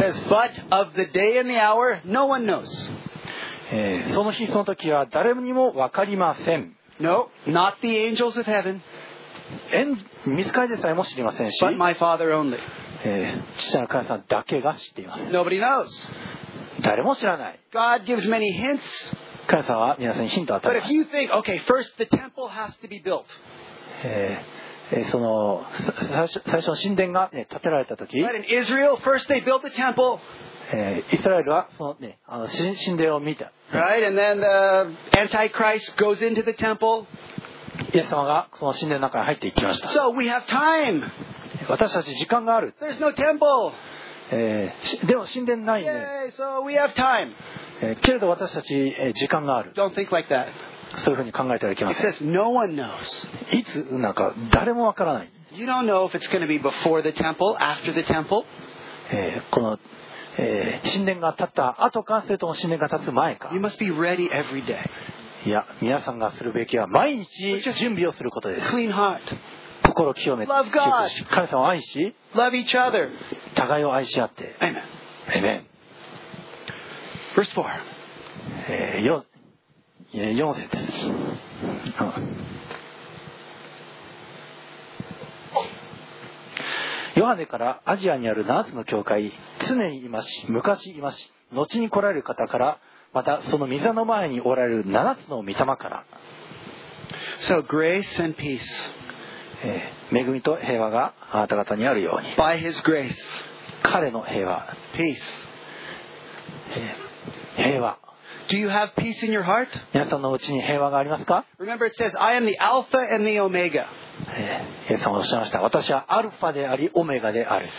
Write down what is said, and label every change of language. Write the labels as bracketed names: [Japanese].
[English] Says, but of the day and the hour, no one knows. [Japanese] その日その時は誰にも分かりません。 [English] No, not the angels of heaven. [Japanese] 御使いでさえも知りませんし。 [English] But my Father only. [Japanese] 父なる神様だけが知っています。 [English] Nobody knows. [Japanese] 誰も知らない。 [English] God gives many hints. [Japanese] 神様は皆さんにヒントを与えます。 [English] Think, okay, first, [Japanese] その最初の神殿が、ね、建てられた時、 [English] Israel, first they built the temple. [Japanese] イスラエルはその、ね、あの 神殿を見た。 [English] Right? And then the Antichrist goes into the temple. [Japanese] イエス様がその神殿の中に入っていきました。 [English] So、we have time. [Japanese] 私たち時間がある。 [English] There's no temple. [Japanese] でも神殿ないね。 [English] Yay, so we have time. [Japanese] けれど私たち、時間がある。 [English] Don't think like that. [Japanese] そういうふうに考えてはいけません。 [English] It says, no one knows. [Japanese] いつなんか誰もわからない。 [English] You don't know if it's going to be before the temple, after the temple. [Japanese] この、神殿が建った後か、それとも神殿が建つ前か。 [English] You must be ready every day. [Japanese] いや、皆さんがするべきは毎日準備をすることです。 [English] Clean heart. [Japanese] 心を清め、 [English] Love God. [Japanese] 神様を愛し、 [English] Love each other. [Japanese] 互いを愛し合って、 [English] Amen. Amen. Verse 4. [Japanese] 4節です。ヨハネからアジアにある7つの教会、常にいまし、昔いまし、後に来られる方から、またその御座の前におられる7つの御霊から。 [English] So grace and peace. [Japanese] 恵みと平和があなた方にあるように。 [English] By His grace. [Japanese] 彼の平和。 [English] Peace. [Japanese] 平和。 [English] Do you have peace in your heart? [Japanese] 皆さんのうちに平和がありますか? [English] Remember it says, I am the Alpha and the Omega. [Japanese] イエス様がおっしゃいました。私はアルファであり、オメガである。